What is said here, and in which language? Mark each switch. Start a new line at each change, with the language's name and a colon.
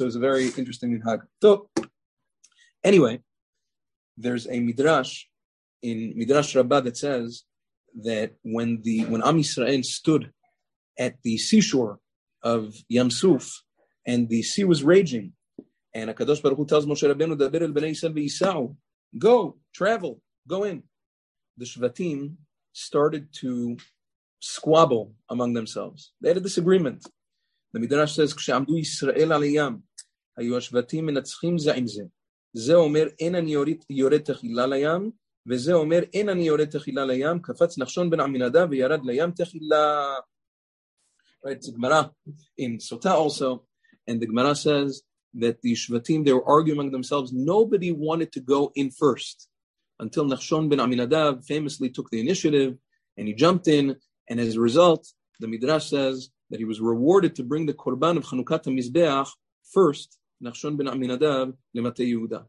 English: So it was a very interesting minhag. So, anyway, there's a midrash in Midrash Rabbah that says that when Am Yisrael stood at the seashore of Yam Suf and the sea was raging, and HaKadosh Baruch Hu tells Moshe Rabbeinu,
Hebrew: "Daber el bnei Yisrael ve'isau,
English: go, travel, go in." The Shvatim started to squabble among themselves. They had a disagreement.
Hebrew: The midrash says, "Kshe'amdu Yisrael al Yam, hayu Shvatim menatzchim ze'im ze." זה אומר אין אני יורד תחילה לים, וזה אומר אין אני יורד תחילה לים, קפץ נחשון בן עמינדב וירד לים תחילה.
English: Right, it's a Gemara in Sota also, and the Gemara says that the Shvatim, they were arguing among themselves, nobody wanted to go in first, until נחשון בן עמינדב famously took the initiative, and he jumped in, and as a result, the Midrash says that he was rewarded to bring the Korban of Chanukat המזבח first,
Hebrew: נחשון בן עמינדב למטה יהודה.